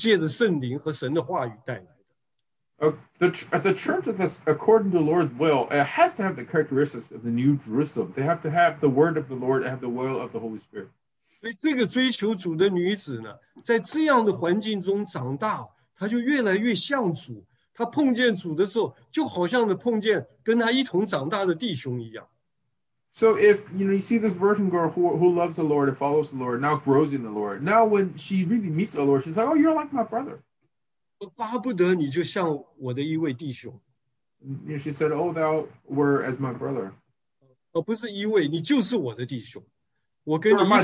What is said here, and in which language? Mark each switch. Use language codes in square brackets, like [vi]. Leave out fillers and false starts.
[zh] 一个合神心意的教会必须是具备的那天上新耶路撒冷性质的是合神心意它里面的供应乃是基督是借着圣灵和神的话语带来的。 [en] The church of this, according to the Lord's will, it has to have the characteristics of the new Jerusalem. They have to have the word of the Lord and have the will of the Holy Spirit. [zh] 所以这个追求主的女子呢在这样的环境中长大她就越来越像主。他碰见主的时候，就好像碰见跟他一同长大的弟兄一样。 [en] So if you know you see this virgin girl who loves the Lord and follows the Lord, now grows in the Lord. Now when she really meets the Lord, she's like, "Oh, you're like my brother." [zh] 巴不得你就像我的一位弟兄。 [en] She said, "Oh, thou were as my brother." [zh] 不是一位，你就是我的弟兄。我跟你一同长大。